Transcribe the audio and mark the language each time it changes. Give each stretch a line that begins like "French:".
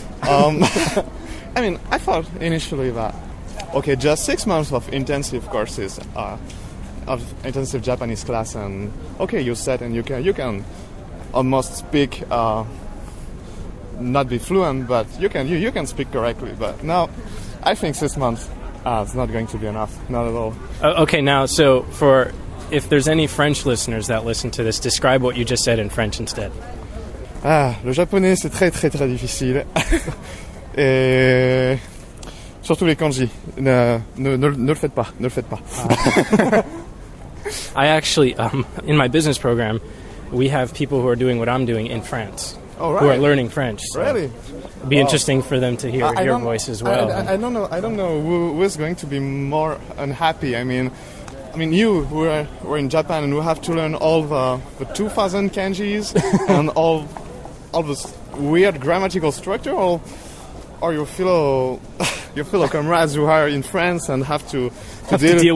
English: I mean, I thought initially that, okay, just 6 months of intensive courses of intensive Japanese class, and okay, you said, and you can almost speak, not be fluent, but you can speak correctly. But now, I think 6 months is not going to be enough, not at all. Okay, now, so if there's any French listeners that listen to this, describe what you just said in French instead.
French: Ah, le japonais c'est très très très difficile, et surtout les kanji. Ne le faites pas, ne le faites pas.
English: I actually, in my business program, we have people who are doing what I'm doing in France. Oh, right. Who are learning French. So really? Be interesting for them to hear your voice as well. I don't know who's going to be more unhappy. I mean, you, we're in Japan and we have to learn all the 2,000 kanjis and all this weird grammatical structure, or your fellow comrades who are in France and have to deal